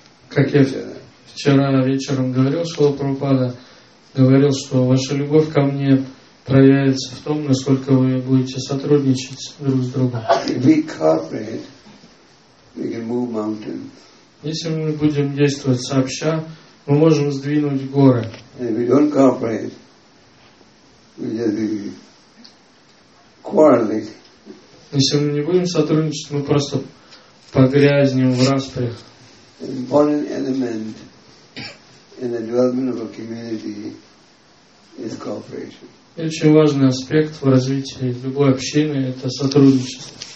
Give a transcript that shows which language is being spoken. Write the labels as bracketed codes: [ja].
[ru] Как я вчера вечером говорил, Шрила Прабхупада говорил, что ваша любовь ко мне проявится в том, насколько вы будете сотрудничать друг с другом. [en] If we cooperate, we can move mountains. [ru] Если мы будем действовать сообща, мы можем сдвинуть горы. [en] If we don't cooperate, we just be quarreling. [ru] Если мы не будем сотрудничать, мы просто погрязнем в распрях. [en] An important element in the development of a community is cooperation. [ru] И очень важный аспект в развитии любой общины – это сотрудничество.